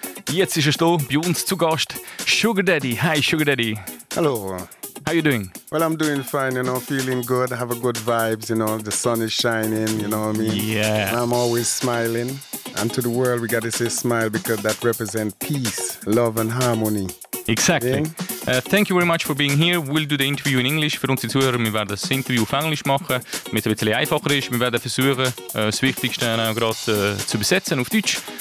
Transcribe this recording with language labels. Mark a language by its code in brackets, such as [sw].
[de] Jetzt ist er da, bei uns zu Gast, Sugardaddy. [en] Hi, Sugardaddy. Hello. How you doing? Well, I'm doing fine, you know, feeling good. I have a good vibes, you know, the sun is shining, you know what I mean? Yeah. I'm always smiling. And to the world, we got to say smile because that represents peace, love and harmony. Exactly. Yeah? Thank you very much for being here. We'll do the interview in English. [de] Für unsere Zuhörer, wir werden das Interview auf Englisch machen, damit es ein bisschen einfacher ist. Wir werden versuchen, das Wichtigste gerade zu besetzen auf Deutsch.